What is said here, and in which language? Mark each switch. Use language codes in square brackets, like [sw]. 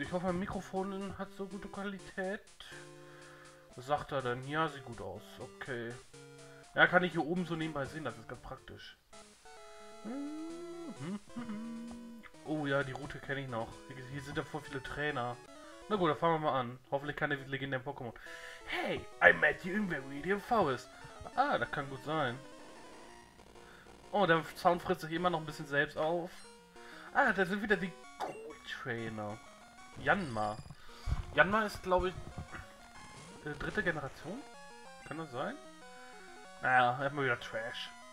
[de] Ich hoffe, mein Mikrofon hat so gute Qualität. Was sagt er denn? Ja, sieht gut aus. Okay. Ja, kann ich hier oben so nebenbei sehen. Das ist ganz praktisch. Oh ja, die Route kenne ich noch. Hier sind ja voll viele Trainer. Na gut, dann fangen wir mal an. Hoffentlich keine legendären Pokémon. [en] Hey, I met you in Viridian Forest. [de] Ah, das kann gut sein. Oh, der Sound frisst sich immer noch ein bisschen selbst auf. Ah, da sind wieder die Trainer. Janma. Janma ist, glaube ich, dritte Generation? Kann das sein? Naja, erstmal wieder Trash.